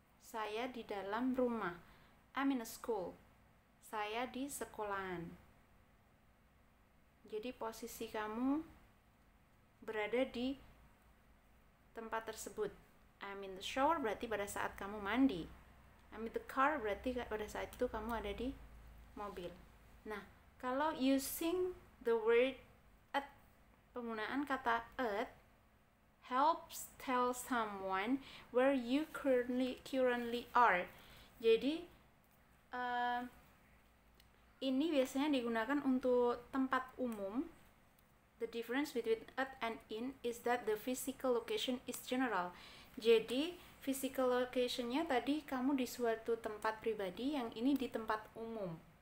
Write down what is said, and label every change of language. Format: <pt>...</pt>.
<id>Saya di dalam rumah.</id> <en>I'm in a school.</en> <id>Saya di sekolahan. Jadi posisi kamu berada di tempat tersebut.</id> <en>I'm in the shower</en> <id>berarti pada saat kamu mandi.</id> <en>I'm in the car</en> <id>berarti pada saat itu kamu ada di mobil. Nah, kalau</id> <en>using the word at,</en> <id>penggunaan kata</id> <en>at helps tell someone where you currently are.</en> <id>Jadi ini biasanya digunakan untuk tempat umum.</id> <en>The difference between at and in is that the physical location is general.</en> <id>Jadi, physical location-nya tadi kamu di suatu tempat pribadi, yang ini di tempat umum.</id>